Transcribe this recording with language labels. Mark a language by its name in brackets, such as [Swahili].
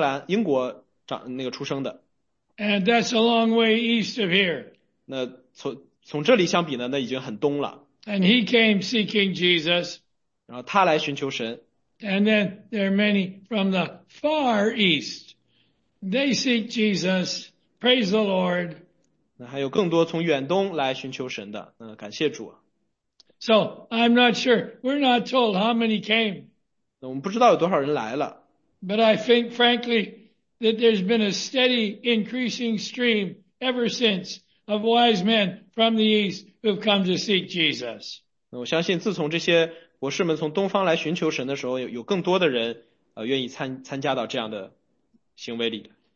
[Chinese] Harold弟兄说，他的父亲是在英格兰，英国长那个出生的。 [English] And that's a long way east of here. [Chinese] 那从这里相比呢，那已经很东了。 [English] And he came seeking Jesus. [Chinese] 然后他来寻求神。 [English] And then there are many from the far east. They seek Jesus. Praise the Lord. [Chinese] 那还有更多从远东来寻求神的。感谢主。 [English] So I'm not sure. We're not told how many came. [Chinese] 我们不知道有多少人来了。 [English] But I think, frankly, that there's been a steady increasing stream ever since of wise men from the East who've come to seek Jesus. [Chinese] 我相信自从这些博士们从东方来寻求神的时候，有更多的人愿意参加到这样的行为里。